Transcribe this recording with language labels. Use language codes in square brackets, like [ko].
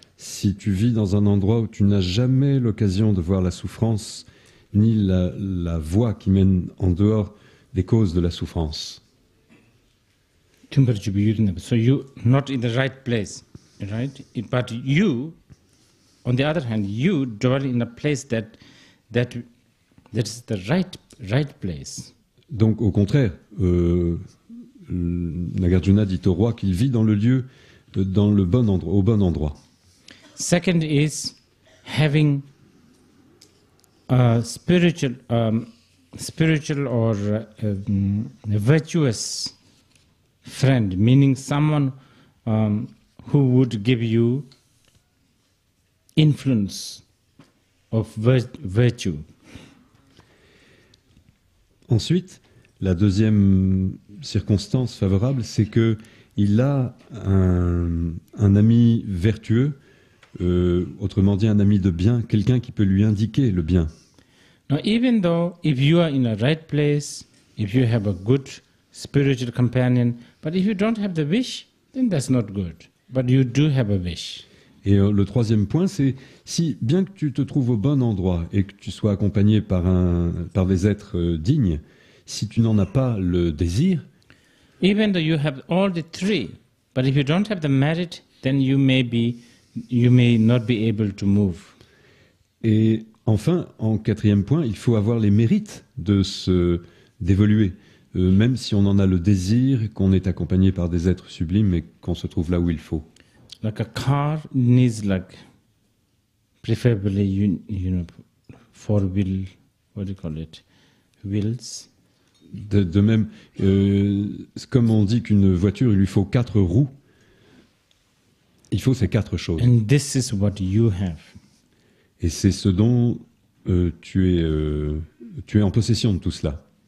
[fr] si tu vis dans un endroit où tu n'as jamais l'occasion de voir la souffrance, ni la voie qui mène en dehors des causes de la souffrance. Tüm birçok büyüdü ne? [en] So you not in the right place, right? But you, on the other hand, you dwell in a place that is the right place. [fr] Donc au contraire, Nagarjuna dit au roi qu'il vit dans le lieu, dans le bon endroit, au bon endroit. [en] Second is having a spiritual or virtuous friend, meaning someone who would give you influence of virtue. [fr] Ensuite, la deuxième circonstance favorable, c'est que il a un ami vertueux, autrement dit un ami de bien, quelqu'un qui peut lui indiquer le bien. [en] Now, even though if you are in a right place, if you have a good spiritual companion, but if you don't have the wish, then that's not good. But you do have a wish. [fr] Et le troisième point, c'est si bien que tu te trouves au bon endroit et que tu sois accompagné par des êtres dignes, si tu n'en as pas le désir. [en] Even though you have all the three, but if you don't have the merit, then you may not be able to move. [fr] Et enfin, en quatrième point, il faut avoir les mérites d'évoluer, même si on en a le désir, qu'on est accompagné par des êtres sublimes et qu'on se trouve là où il faut. [en] Like a car needs like preferably four wheel, what do you call it, wheels. [fr] De même, comme on dit qu'une voiture, il lui faut quatre roues. Il faut ces quatre choses. [en] And this is what you have. [fr] Et c'est ce dont tu es en possession de tout cela.